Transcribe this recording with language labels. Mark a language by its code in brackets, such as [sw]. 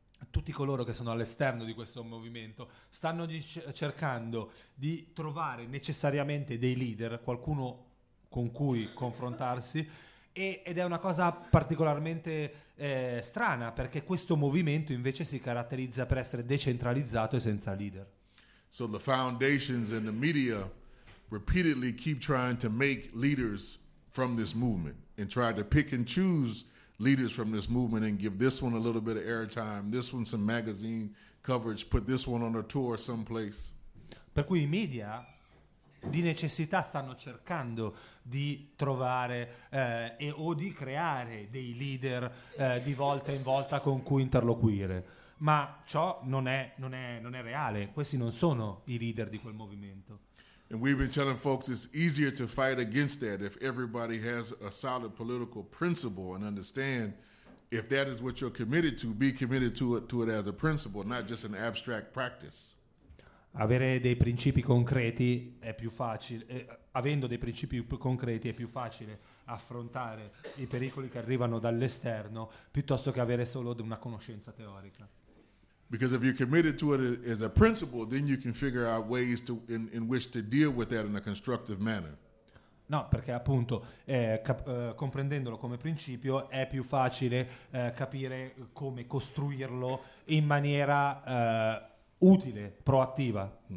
[it] tutti coloro che sono all'esterno di questo movimento stanno cercando di trovare necessariamente dei leader, qualcuno con cui confrontarsi, ed è una cosa particolarmente strana, perché questo movimento invece si caratterizza per essere decentralizzato e senza leader. [en] So the foundations and the media repeatedly keep trying to make leaders from this movement and try to pick and choose leaders from this movement and give this one a little bit of airtime, this one some magazine coverage, put this one on a tour someplace. [it] Per cui i media di necessità stanno cercando di trovare o di creare dei leader di volta in volta con cui interloquire, ma ciò non è reale, questi non sono i leader di quel movimento. [en] And we've been telling folks it's easier to fight against that if everybody has a solid political principle and understand if that is what you're committed to, be committed to it as a principle, not just an abstract practice. [it] Avere dei principi concreti è più facile, avendo dei principi più concreti è più facile affrontare i pericoli che arrivano dall'esterno piuttosto che avere solo una conoscenza teorica. [en] Because if you're committed to it as a principle, then you can figure out ways to in which to deal with that in a constructive manner. [it] No, perché appunto comprendendolo come principio è più facile capire come costruirlo in maniera utile, proattiva.